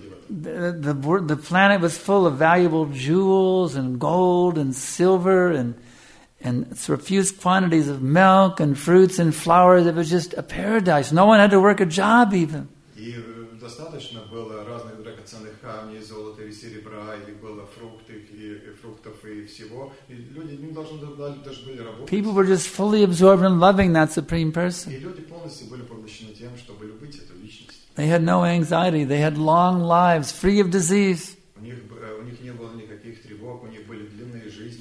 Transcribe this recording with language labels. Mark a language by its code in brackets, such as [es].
[en] The planet was full of valuable jewels and gold and silver and profuse quantities of milk and fruits and flowers. It was just a paradise. No one had to work a job even. [ru] достаточно было разных драгоценных камней, золота или серебра, или было фруктов и всего. И люди не должны даже были работать. [en] People were just fully absorbed in loving that supreme person. [ru] И люди полностью были поглощены тем, чтобы любить эту личность. [en] They had no anxiety. They had long lives, free of disease. [ru] У них не было никаких тревог. У них были длинные жизни.